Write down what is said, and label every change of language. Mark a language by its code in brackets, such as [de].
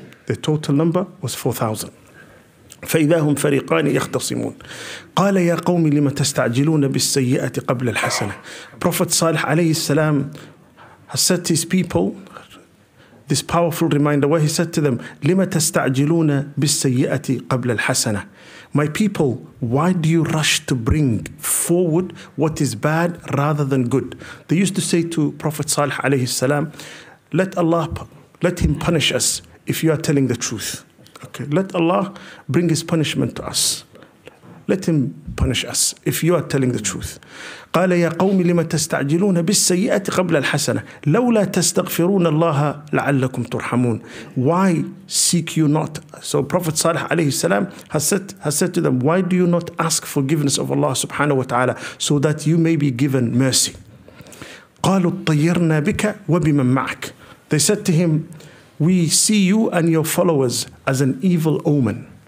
[en] The total number was 4,000. [ar] فَإِذَا هُمْ فَرِيقَانِ يَخْتَصِمُونَ قَالَ يَا قَوْمِ لِمَ تَسْتَعْجِلُونَ بِالسَّيِّئَةِ قَبْلَ الْحَسَنَةِ [en] Prophet Salih alayhi salam has said to his people this powerful reminder where he said to them [ar] لِمَ تَسْتَعْجِلُونَ بِالسَّيِّئَةِ قَبْلَ الْحَسَنَةِ [en] My people, why do you rush to bring forward what is bad rather than good? They used to say to Prophet Salih alayhi salam, let Allah, let him punish us if you are telling the truth. Okay, let Allah bring his punishment to us. Let him punish us if you are telling the truth. [ar] قَالَ يَا قَوْمِ لِمَ تَسْتَعْجِلُونَ بِالسَّيِّئَةِ قَبْلَ الْحَسَنَةِ لَوْلَا تَسْتَغْفِرُونَ اللَّهَ لَعَلَّكُمْ تُرْحَمُونَ [en] Why seek you not? So Prophet Salih alayhi salam has said to them, why do you not ask forgiveness of Allah subhanahu wa ta'ala so that you may be given mercy? [ar] قَالُوا اطَّيَّرْنَا بِكَ وَبِمَنْ مَعَكَ [en] They said to him, we see you and your followers as an evil omen.